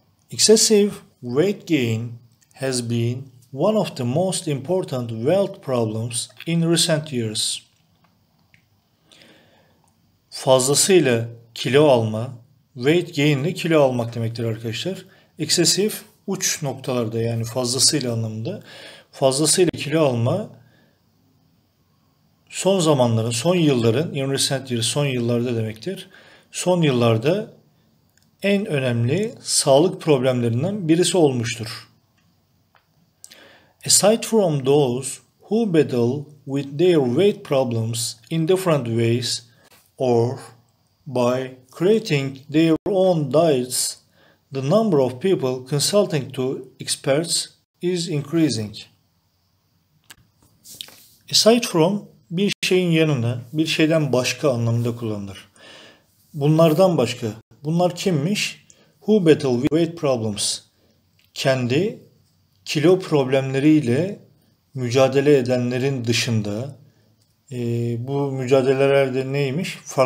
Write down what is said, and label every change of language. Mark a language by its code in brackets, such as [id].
[en] Excessive weight gain has been one of the most important health problems in recent years. [tr] Fazlasıyla kilo alma, [en] weight gain [tr] ile kilo almak demektir arkadaşlar. Excessive, uç noktalarda yani fazlasıyla anlamında. Fazlasıyla kilo alma, son zamanların, son yılların, [en] in recent years, [tr] son yıllarda demektir. Son yıllarda en önemli sağlık problemlerinden birisi olmuştur. [en] Aside from those who battle with their weight problems in different ways, or by creating their own diets, the number of people consulting to experts is increasing. Aside from, [tr] bir şeyin yanına, bir şeyden başka anlamında kullanılır. Bunlardan başka, bunlar kimmiş? [en] Who battle with weight problems? [tr] Kendi kilo problemleriyle mücadele edenlerin dışında, bu mücadelelerde neymiş?